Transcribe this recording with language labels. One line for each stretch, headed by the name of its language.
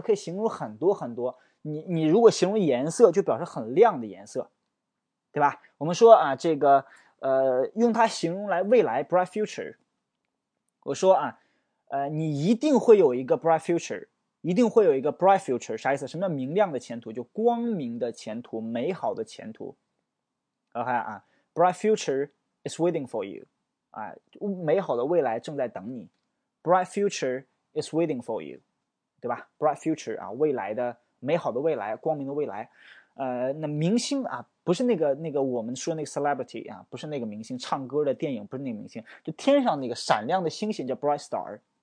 Chinese: 可以形容很多很多。你如果形容颜色就表示很亮的颜色，对吧？我们说啊，这个用它形容来未来 bright future， 我说啊你一定会有一个 bright future，一定会有一个 bright future， 啥意思？什么叫明亮的前途？就光明的前途，美好的前途。
English: OK 啊、，bright future is waiting for you， 啊，
Chinese: 美好的未来正在等你。
English: Bright future is waiting for you， 对吧 ？Bright future 啊，
Chinese: 未来的美好的未来，光明的未来。那明星啊，不是那个我们说那个 celebrity 啊，不是那个明星，唱歌的电影不是那个明星，就天上那个闪亮的星星叫 bright star。